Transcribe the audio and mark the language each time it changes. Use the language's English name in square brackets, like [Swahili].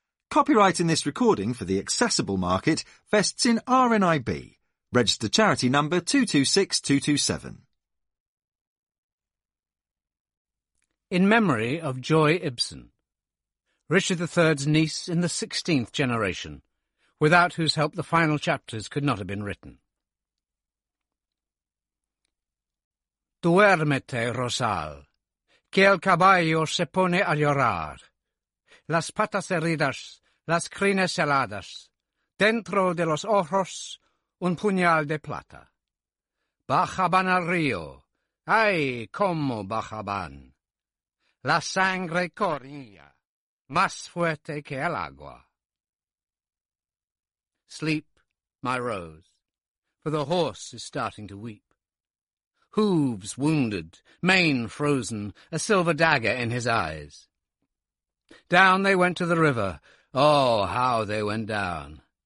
[English] Copyright in this recording for the accessible market vests in RNIB, Register Charity Number 226227. In memory of Joy Ibsen, Richard III's niece in the 16th generation, without whose help the final chapters could not have been written. [Spanish] Duérmete, Rosal, que el caballo se pone a llorar. Las patas heridas, las crines heladas, dentro de los ojos un puñal de plata. Bajaban al río, ay, cómo bajaban. La sangre corría, más fuerte que el agua. [English] Sleep, my rose, for the horse is starting to weep. Hooves wounded, mane frozen, a silver dagger in his eyes. Down they went to the river, oh, how they went down.